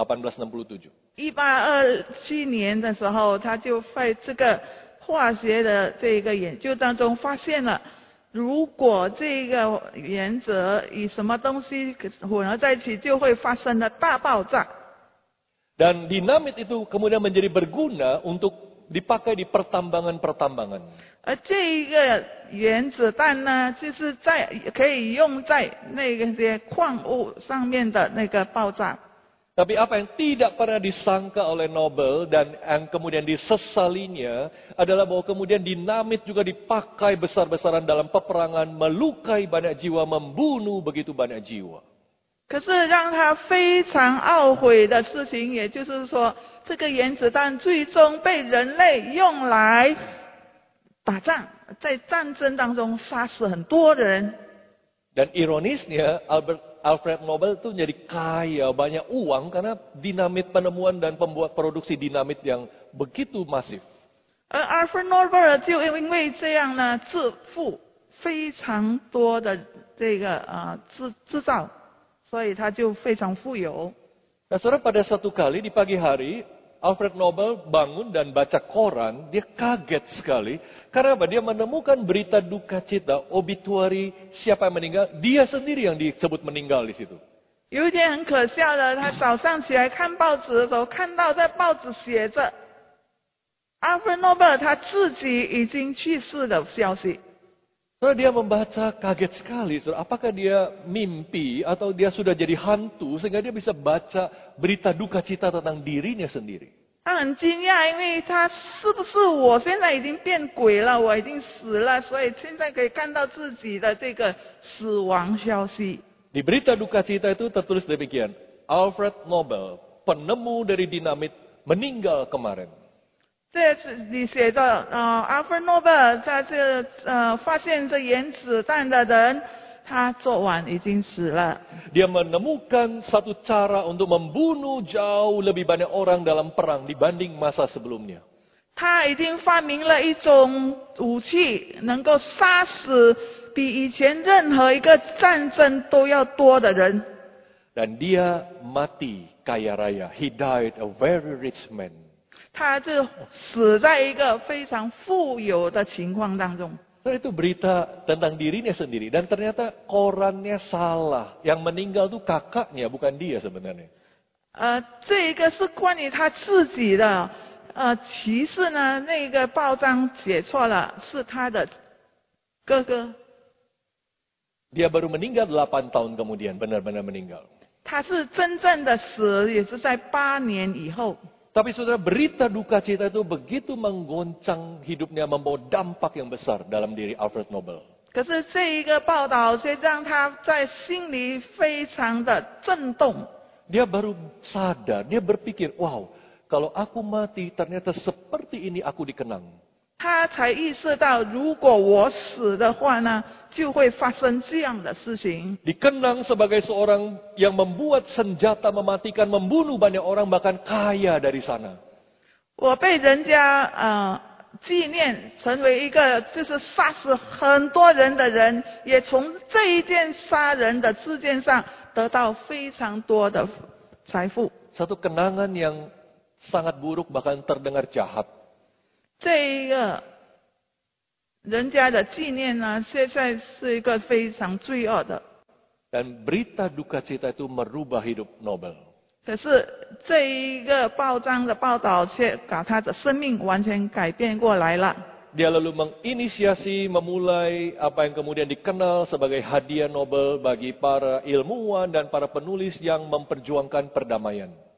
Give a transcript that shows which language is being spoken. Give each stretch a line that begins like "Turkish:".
Chinese: 1867年的时候，他就在这个化学的这个研究当中发现了，如果这个原子与什么东西混合在一起，就会发生了大爆炸。
Indonesian: Dan dinamit itu kemudian menjadi berguna untuk dipakai di pertambangan-pertambangan.
Chinese: 这个原子弹呢，就是在可以用在那些矿物上面的那个爆炸。
Indonesian: Tapi apa yang tidak pernah disangka oleh Nobel dan yang kemudian disesalinya adalah bahwa kemudian dinamit juga dipakai besar-besaran dalam peperangan, melukai banyak jiwa, membunuh begitu banyak jiwa.
Chinese: 可是让他非常懊悔的事情，也就是说，这个原子弹最终被人类用来打仗，在战争当中杀死很多人。
Indonesian: Dan ironisnya, Alfred Nobel itu menjadi kaya banyak uang karena dinamit, penemuan dan pembuat produksi dinamit yang begitu masif.
Chinese: Alfred Nobel 就因为这样呢，致富非常多的这个制造，所以他就非常富有。
Indonesian: Nah, saudara, pada satu kali di pagi hari, Alfred Nobel bangun dan baca koran, dia kaget sekali. Karena dia menemukan berita duka cita, obituary siapa yang meninggal, dia sendiri yang disebut meninggal di situ.
Chinese: 有点很可笑的，他早上起来看报纸的时候，看到在报纸写着 Alfred Nobel 他自己已经去世的消息。
Indonesian: Saudara, dia membaca kaget sekali. Saudara, apakah dia mimpi atau dia sudah jadi hantu sehingga dia bisa baca berita duka cita tentang dirinya sendiri?
Chinese: 他很惊讶，因为他是不是我现在已经变鬼了？我已经死了，所以现在可以看到自己的这个死亡消息。
Indonesian: Di berita duka cita itu tertulis demikian: Alfred Nobel, penemu dari dinamit, meninggal kemarin.
Chinese: 这里写着Alfred Nobel 在这发现这原子弹的人，他昨晚已经死了。
Indonesian: Dia menemukan satu cara untuk membunuh jauh lebih banyak orang dalam perang dibanding masa sebelumnya.
Chinese: 他已经发明了一种武器，能够杀死比以前任何一个战争都要多的人。
Indonesian: Dan dia mati kaya raya.
English: He died a very rich man.
Chinese: 他就死在一个非常富有的情况当中。所以，
Indonesian: itu berita tentang dirinya sendiri, dan ternyata korannya salah. Yang meninggal itu kakaknya, bukan dia sebenarnya.
Chinese: 这个是关于他自己的。其实呢，那个报章写错了，是他的哥哥。
Indonesian: Dia baru meninggal 8 tahun kemudian, benar-benar meninggal.
Chinese: 他是真正的死，也是在八年以后。
Indonesian: Tapi saudara, berita duka cita itu begitu menggoncang hidupnya, membawa dampak yang besar dalam diri Alfred Nobel.
Chinese: 可是这一个报道却让他在心里非常的震动。
Indonesian: Dia baru sadar, dia berpikir, wow, kalau aku mati, ternyata seperti ini aku dikenang.
Chinese: 他才意识到，如果我死的话呢，就会发生这样的事情。
Indonesian: Dikenang sebagai seorang yang membuat senjata mematikan, membunuh banyak orang, bahkan kaya dari sana.
Chinese: 我被人家纪念成为一个就是杀死很多人的人，也从这一件杀人的事件上得到非常多的财富。
Indonesian: Satu kenangan yang sangat buruk bahkan terdengar jahat.
Chinese: 这一个人家的纪念呢，现在是一个非常罪恶的。
Indonesian: Dan berita duka cita itu merubah hidup Nobel.
Chinese: 可是这一个报章的报道却把他的生命完全改变过来了。
Indonesian: Dia lalu menginisiasi memulai apa yang kemudian dikenal sebagai hadiah Nobel bagi para ilmuwan dan para penulis yang memperjuangkan perdamaian.